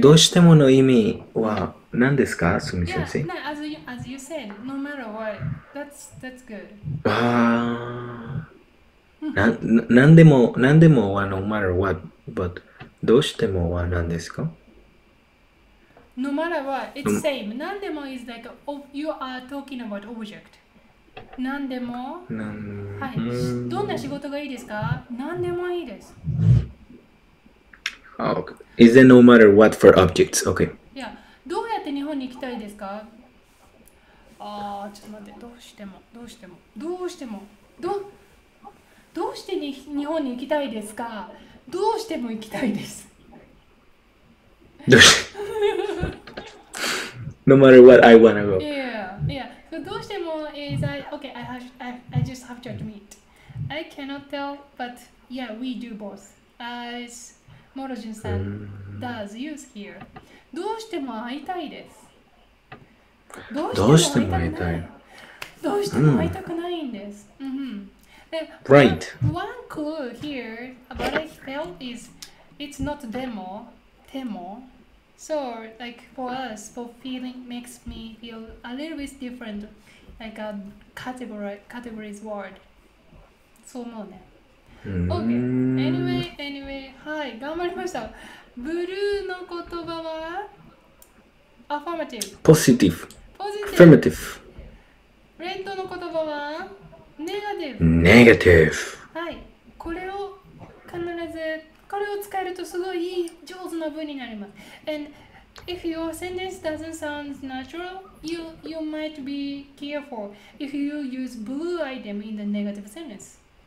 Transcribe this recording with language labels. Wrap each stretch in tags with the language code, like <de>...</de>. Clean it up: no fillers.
<ja>どうしてもの意味は何ですか、すみ先生。</ja> <en>Yeah, as you said, no matter what, that's good.</en> <ja>ああ、なんでも、なんでもは</ja> <en>no matter what,</en> <ja>but どうしてもは何ですか。</ja> <en>No matter what, it's same. なんでも is like, you are talking about object.</en> <ja>なんでも、はい、どんな仕事がいいですか？なんでもいいです。</ja> <en>Oh, okay. Is there no matter what for objects? Okay. Yeah.</en> <ja>どうやって日本に行きたいですか？ああ、ちょっと待って。どうしても、どうしても、どうしても、どうしてに日本に行きたいですか？どうしても行きたいです。</ja> <en>No matter what, I wanna go. Yeah, yeah. So, どうしても is I, okay, I just have to admit. I cannot tell, but yeah, we do both. As Morojin-san does use here.</en> <ja>どうしても会いたいです。どうしても会いたい。どうしても会いたくないんです。</ja> <en>Right. One clue here, what I felt is, it's not demo, temo. So, like for us, for feeling makes me feel a little bit different, like a categories word.</en> <ja>そう思うね。</ja> <en>Okay. Anyway,</en> <ja>はい、頑張りました。ブルーの言葉は affirmative。</ja> <en>positive。 positive。 affirmative。</en> <ja>レッドの言葉は negative。</ja> <en>negative。</en> <ja>はい、これを必ず。これを使えるとすごい上手な文になります。</ja> <en>And if your sentence doesn't sound natural, you might be careful if you use blue item in the negative sentence.</en>